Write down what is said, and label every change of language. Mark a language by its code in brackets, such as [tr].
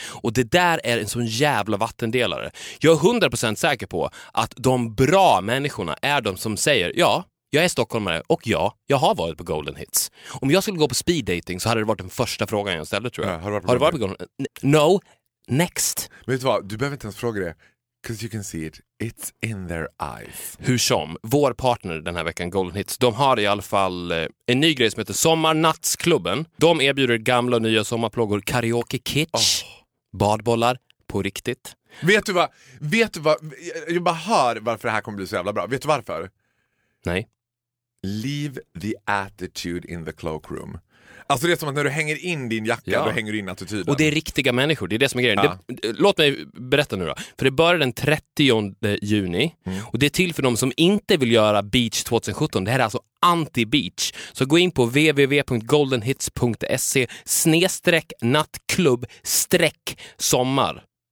[sv] Och det där är en sån jävla vattendelare. Jag är 100% säker på att de bra människorna är de som säger, ja, jag är stockholmare och ja, jag har varit på Golden Hits. Om jag skulle gå på speed dating så hade det varit den första frågan jag ställde, tror jag. Har du varit på Golden Hits? [en] No, next. [sv] Men vet du vad, du behöver inte ens fråga det. [en] Because you can see it, it's in their eyes. [sv] Hur som, vår partner den här veckan, Golden Hits, de har i alla fall en ny grej som heter Sommarnattsklubben. De erbjuder gamla och nya sommarplågor, karaoke kitsch, badbollar på riktigt. Vet du vad, jag bara hör varför det här kommer bli så jävla bra. Vet du varför? Nej. [en] Leave the attitude in the cloakroom. [sv] Alltså det är som att när du hänger in din jacka, ja, då hänger du in attityden. Och det är riktiga människor, det är det som är grejen. Ja. Låt mig berätta nu då. För det börjar den 30 juni. Mm. Och det är till för dem som inte vill göra Beach 2017. Det här är alltså anti-beach. Så gå in på www.goldenhits.se/nattklubb/sommar.